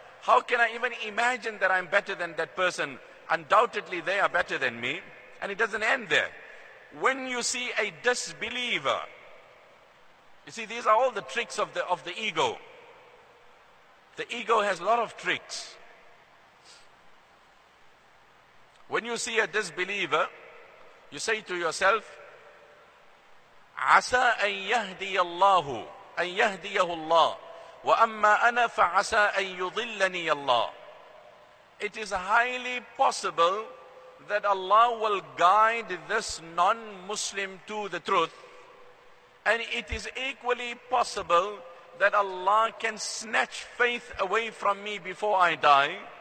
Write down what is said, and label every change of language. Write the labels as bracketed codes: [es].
[en] How can I even imagine that I'm better than that person? Undoubtedly, they are better than me. And it doesn't end there. When you see a disbeliever, you see, these are all the tricks of the ego. The ego has a lot of tricks. When you see a disbeliever, you say to yourself, [ar] عَسَىٰ أَن يَهْدِيَ اللَّهُ أَن يَهْدِيَهُ اللَّهُ وَأَمَّا أَنَا فَعَسَىٰ أَن يُضِلَّنِيَ اللَّهُ. [en] It is highly possible that Allah will guide this non-Muslim to the truth. And it is equally possible that Allah can snatch faith away from me before I die.